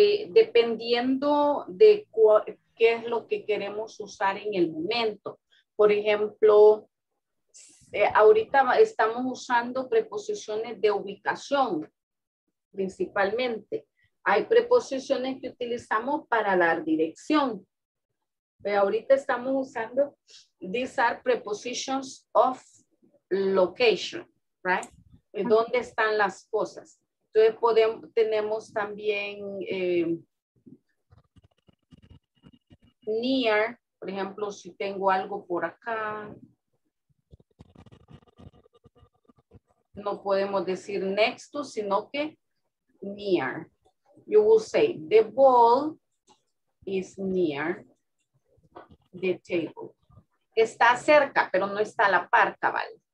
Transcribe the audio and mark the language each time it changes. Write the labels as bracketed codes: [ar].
[es] Dependiendo de qué es lo que queremos usar en el momento. Por ejemplo, ahorita estamos usando preposiciones de ubicación principalmente. Hay preposiciones que utilizamos para dar dirección. Pero ahorita estamos usando, [en] these are prepositions of location, right? [es] ¿Dónde están las cosas? Entonces tenemos también near, por ejemplo, si tengo algo por acá. No podemos decir next to, sino que near. [en] You will say the ball is near the table. [es] Está cerca, pero no está a la par, cabal.